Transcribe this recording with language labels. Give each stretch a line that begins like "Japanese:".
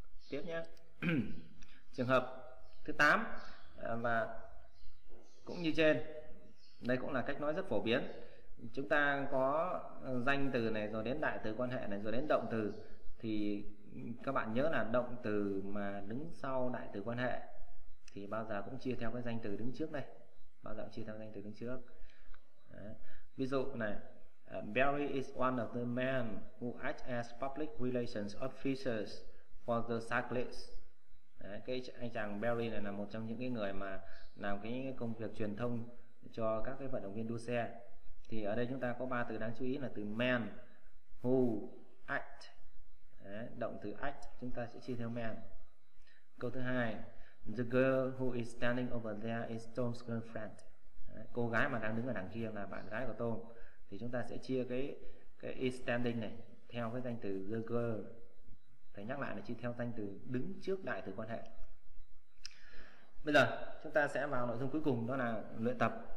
Vietnamese: Tiếp nhé. Trường hợp thứ 8 và cũng như trên, đây cũng là cách nói rất phổ biến. Chúng ta có danh từ này, rồi đến đại từ quan hệ này, rồi đến động từ. Thì các bạn nhớ là động từ mà đứng sau đại từ quan hệ thì bao giờ cũng chia theo cái danh từ đứng trước đây. Bao giờ cũng chia theo danh từ đứng trước. Ví dụ này,
English: Barry is one of the men who act as public relations officers for the cyclists.
Vietnamese: Đấy, cái anh chàng Barry này là một trong những cái người mà làm cái công việc truyền thông cho các cái vận động viên đua xe. Thì ở đây chúng ta có ba từ đáng chú ý là từ man, who, act. Đấy, động từ act chúng ta sẽ chia theo man. Câu thứ hai,
English: the girl who is standing over there is Tom's girlfriend.
Vietnamese: Đấy, cô gái mà đang đứng ở đằng kia là bạn gái của Tom. Thì chúng ta sẽ chia cái is standing này theo cái danh từ the girl. Phải nhắc lại là chia theo danh từ đứng trước đại từ quan hệ. Bây giờ chúng ta sẽ vào nội dung cuối cùng, đó là luyện tập.